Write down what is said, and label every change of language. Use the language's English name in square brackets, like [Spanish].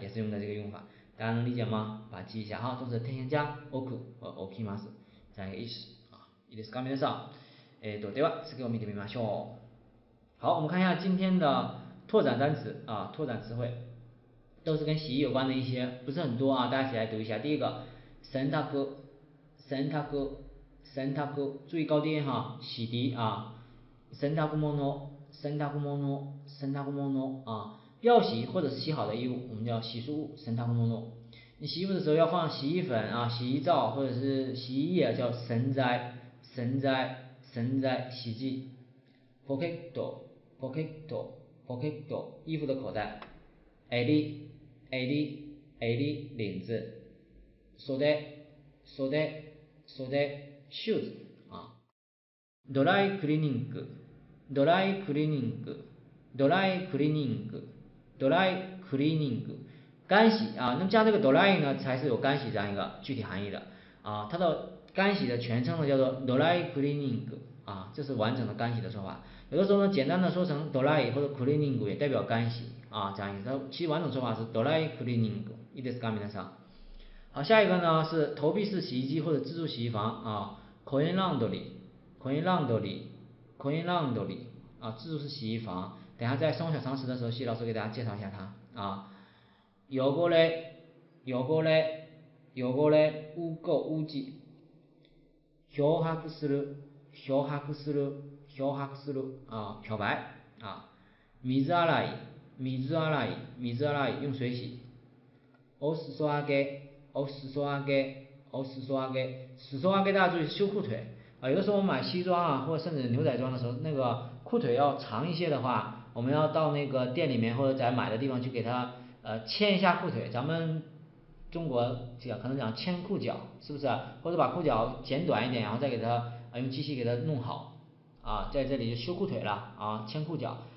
[Chinese] 也是用的这个用法，大家能理解吗？把记一下哈，都是天天加 [Japanese] おく，おきます。 [Chinese] 在意思啊， [Japanese] いいですか皆さん。では次を見てみましょう。 [Chinese] 好，我们看一下今天的拓展单词啊，拓展词汇都是跟洗衣有关的一些，不是很多啊，大家一起来读一下。第一个，洗濯，洗濯，洗濯，注意高低音哈，洗涤啊，洗濯物，洗濯物，洗濯物啊，要洗或者是洗好的衣物，我们叫洗漱物，洗濯物。你洗衣服的时候要放洗衣粉啊、洗衣皂或者是洗衣液，叫洗剤，洗剤，洗剂，洗剂。 [Japanese] ポケット、ポケット、ポケット， [Chinese] 衣服的口袋。 [Japanese] 襟、襟、襟、 [Chinese] 领子。 [Japanese] 袖、袖、袖、シューズ啊。ドライクリーニング、ドライクリーニング、ドライクリーニング、ドライクリーニング。 [Chinese] 干洗啊，那么加这个 dry 呢，才是有干洗这样一个具体含义的啊。它的干洗的全称呢叫做 dry cleaning 啊，这是完整的干洗的说法。有的时候呢，简单的说成 dry 或者 cleaning 也代表干洗啊，这样一个。其实完整说法是 dry cleaning， 意思是干净的啥？好，下一个呢是投币式洗衣机或者自助洗衣房啊 ，coin laundry，coin laundry，coin laundry 啊，自助式洗衣房。等一下在生活小常识的时候，谢老师给大家介绍一下它啊。 [Japanese] 汚れ、汚れ、汚れ、 [Chinese] 污垢、污迹。 [Japanese] 漂白する、漂白する、漂白する、啊， [Chinese] 漂白啊。 [Japanese] 水洗い、水洗い、水洗い、 [Chinese] 用水洗。 [Japanese] お裾上げ、お裾上げ、お裾上げ、裾上げ [Chinese] 大家注意修裤腿啊。有的时候我们买西装啊，或者甚至牛仔装的时候，那个裤腿要长一些的话，我们要到那个店里面或者在买的地方去给它。牵一下裤腿，咱们中国讲可能讲牵裤脚，是不是？或者把裤脚剪短一点，然后再给它用机器给它弄好，啊，在这里就修裤腿了啊，牵裤脚。